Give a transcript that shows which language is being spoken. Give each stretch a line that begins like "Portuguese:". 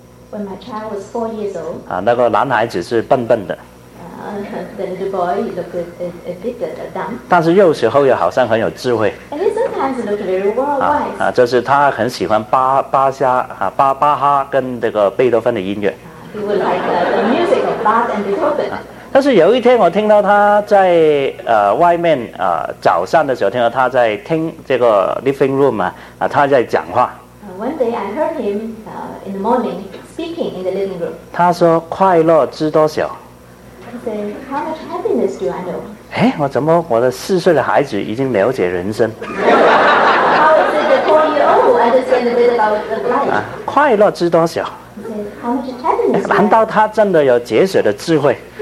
English: When my child was 4 years old.
Chinese: 那个男孩子是笨笨的。
English: The little boy looked a bit dumb.
Chinese: 但是有时候又好像很有智慧。
English: And he sometimes looked very wise.
Chinese: 就是他很喜欢巴哈跟这个贝多芬的音乐。
English: He would like the music of Bach and Beethoven.
Chinese: 但是有一天我听到他在外面早上的时候听到他在听这个
English: living room
Chinese: 他在讲话。
English: One day I heard him in the morning speaking in the living room.
Chinese: 他说快乐知多少。
English: He said, how much happiness do I know?
Chinese: 我怎么我的四岁的孩子已经了解人生。
English: How is it that 4 years old understand a bit about life?
Chinese: 快乐知多少。
English: He said, how much happiness do I know?
Chinese: 难道他真的有哲学的智慧。